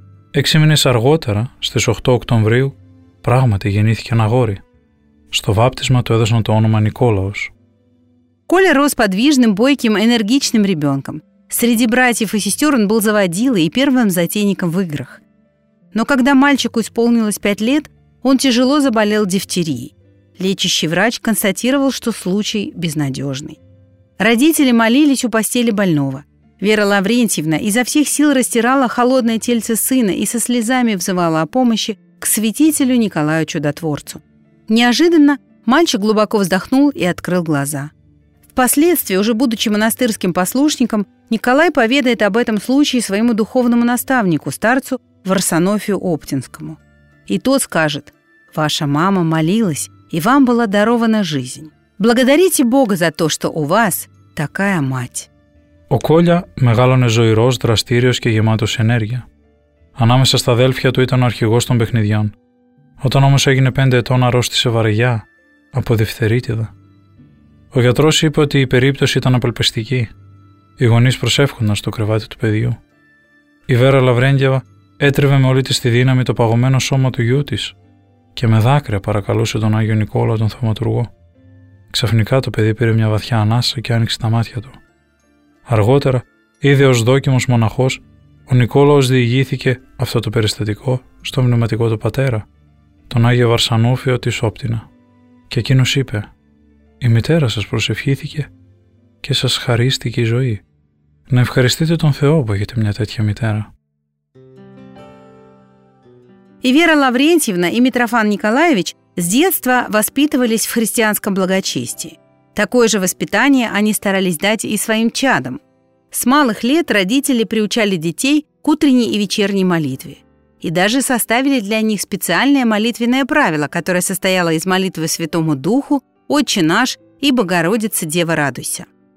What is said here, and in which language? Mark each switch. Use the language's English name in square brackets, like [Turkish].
[Greek] 6 μήνες αργότερα, στις 8 Οκτωβρίου, πράγματι γεννήθηκε ένα αγόρι. Στο βάπτισμα του έδωσαν το όνομα Νικόλαος. [Russian] Коля рос подвижным, бойким, энергичным ребенком. Среди братьев и сестер он был заводилой и первым затейником в играх. Но когда мальчику исполнилось 5 лет, он тяжело заболел дифтерией. Лечащий врач констатировал, что случай безнадежный. Родители молились у постели больного. Вера Лаврентьевна изо всех сил растирала холодное тельце сына и со слезами взывала о помощи к святителю Николаю Чудотворцу. Неожиданно мальчик глубоко вздохнул и открыл глаза. Впоследствии, уже будучи монастырским послушником, Николай поведает об этом случае своему духовному наставнику, старцу Варсонофию Оптинскому. И тот скажет: «Ваша мама молилась, и вам была дарована жизнь». Благодарите Бога за то, что у вас такая мать. [Greek] Ο Κόλια μεγάλωνε ζωηρός, δραστήριος και γεμάτος ενέργεια. Ανάμεσα στα αδέλφια του ήταν ο αρχηγός των παιχνιδιών. Όταν όμως έγινε 5 ετών, αρρώστησε βαριά, από διφθερίτιδα. Ο γιατρός είπε ότι η περίπτωση ήταν απελπιστική. Οι γονείς προσεύχονταν στο κρεβάτι του παιδιού. Η Βέρα Λαβρέντιεβα έτριβε με όλη της τη δύναμη το παγωμένο σώμα του γιού της και με δάκρυα παρακαλούσε τον Άγιο Νικόλα, τον θαυματουργό. Ξαφνικά το παιδί πήρε μια βαθιά ανάσα και άνοιξε τα μάτια του. Αργότερα, ήδη ως δόκιμος μοναχός, ο Νικόλαος διηγήθηκε αυτό το περιστατικό στο πνευματικό του πατέρα, τον Άγιο Βαρσανούφιο της Όπτινα. Και εκείνος είπε: «Η μητέρα σας προσευχήθηκε και σας χαρίστηκε η ζωή. Να ευχαριστείτε τον Θεό που έχετε μια τέτοια μητέρα». Η Βέρα Λαβρέντιεβνα και ο Μητροφάν Νικολάεβιτς [Russian] с детства воспитывались в христианском благочестии. Такое же воспитание они старались дать и своим чадам. С малых лет родители приучали детей к утренней и вечерней молитве. И даже составили для них специальное молитвенное правило, которое состояло из молитвы Святому Духу, «Отче наш» и «Богородица, Дева, радуйся».